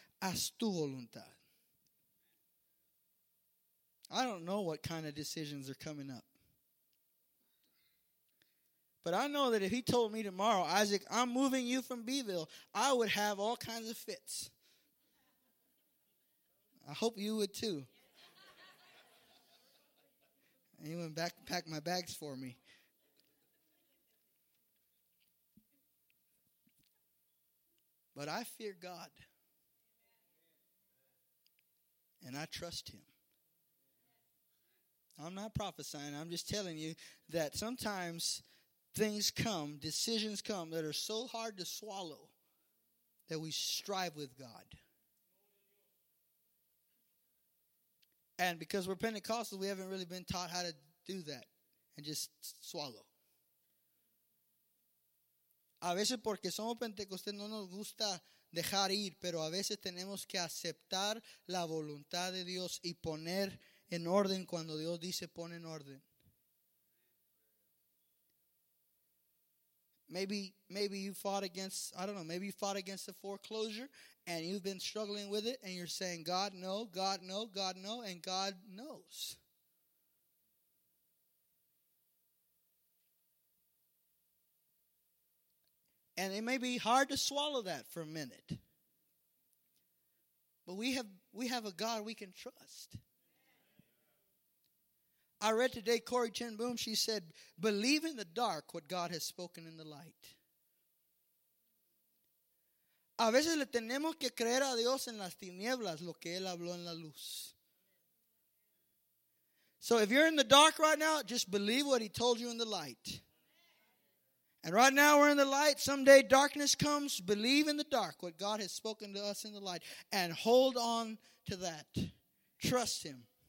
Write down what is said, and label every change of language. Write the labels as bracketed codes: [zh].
[es] Haz tu voluntad. [en] I don't know what kind of decisions are coming up. But I know that if he told me tomorrow, Isaac, I'm moving you from Beeville, I would have all kinds of fits. I hope you would too. Anyone backpack my bags for me? But I fear God. And I trust him. I'm not prophesying. I'm just telling you that sometimes things come, decisions come that are so hard to swallow that we strive with God. And because we're Pentecostals, we haven't really been taught how to do that and just swallow. [es] A veces porque somos Pentecostés no nos gusta dejar ir, pero a veces tenemos que aceptar la voluntad de Dios y poner en orden cuando Dios dice pon en orden. [en] Maybe you fought against, I don't know, maybe you fought against the foreclosure and you've been struggling with it and you're saying, God, no, God, no, God, no, and God knows. And it may be hard to swallow that for a minute. But we have a God we can trust. I read today, Corrie Ten Boom, she said, believe in the dark what God has spoken in the light. [es] A veces le tenemos que creer a Dios en las tinieblas lo que Él habló en la luz. [en] So if you're in the dark right now, just believe what He told you in the light. And right now we're in the light. Someday darkness comes. Believe in the dark what God has spoken to us in the light. And hold on to that. Trust Him.